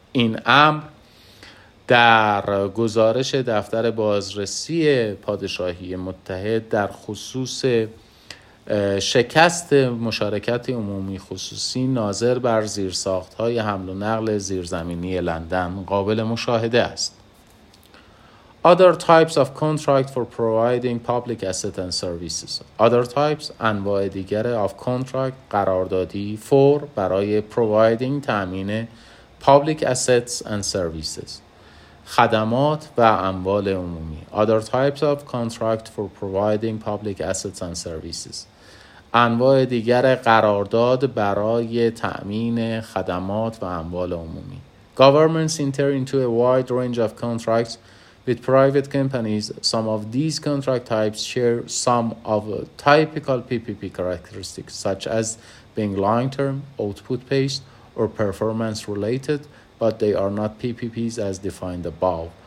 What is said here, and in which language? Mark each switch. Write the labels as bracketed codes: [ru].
[fa] این امر در گزارش دفتر بازرسی پادشاهی متحد در خصوص شکست مشارکت عمومی خصوصی ناظر بر زیرساخت های حمل و نقل زیرزمینی لندن قابل مشاهده است. [en] Other types of contract for providing public assets and services. Other types, [fa] انواع دیگر [en] of contract, [fa] قراردادی [en] for, [fa] برای [en] providing, [fa] تأمین [en] public assets and services, [fa] خدمات و اموال عمومی. [en] Other types of contract for providing public assets and services. [fa] انواع دیگر قرارداد برای تأمین خدمات و اموال عمومی. [en] Governments enter into a wide range of contracts with private companies. Some of these contract types share some of typical PPP characteristics, such as being long-term, output-based, or performance-related, but they are not PPPs as defined above.